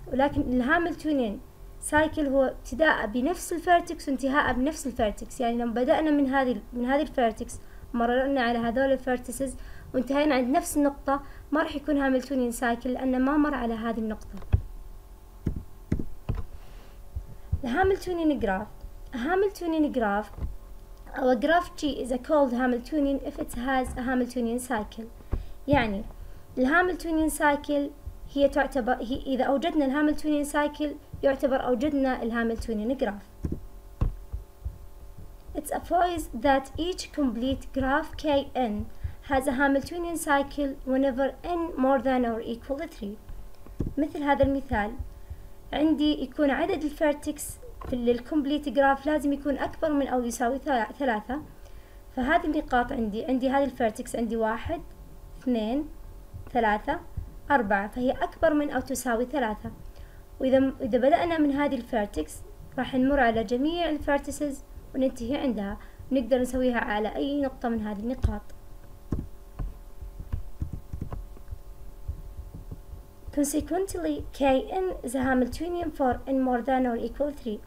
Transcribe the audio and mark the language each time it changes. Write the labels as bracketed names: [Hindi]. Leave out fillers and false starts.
[Arabic] ولكن الهاملتونيان سايكل هو ابتداء بنفس الفيرتكس وانتهاء بنفس الفيرتكس. يعني لما بدأنا من هذه الفيرتكس مررنا على هذول الفيرتسز وانتهينا عند نفس النقطة، ما رح يكون هاملتونيان سايكل لأنه ما مر على هذه النقطة. الهاملتونيان جراف. هاملتونيان جراف أو جراف [English] G is a called Hamiltonian if it has a Hamiltonian cycle. [Arabic] يعني الهاملتونيان سايكل هي تعتبر إذا أوجدنا الهاملتونيان سايكل يعتبر أوجدنا الهاملتونيان جراف. [English] It's a phrase that each complete graph Kn has a Hamiltonian cycle whenever n more than or equal to 3. [Arabic] مثل هذا المثال، عندي يكون عدد الفيرتكس في الكومبليت جراف لازم يكون أكبر من أو يساوي 3. فهذه النقاط عندي هذه الفيرتكس عندي 1 2 3 4، فهي أكبر من أو تساوي 3. وإذا بدأنا من هذه الفيرتكس راح نمر على جميع الفيرتسز وننتهي عندها، نقدر نسويها على أي نقطة من هذه النقاط. [English] Consequently, Kn is a Hamiltonian for n more than or equal to 3.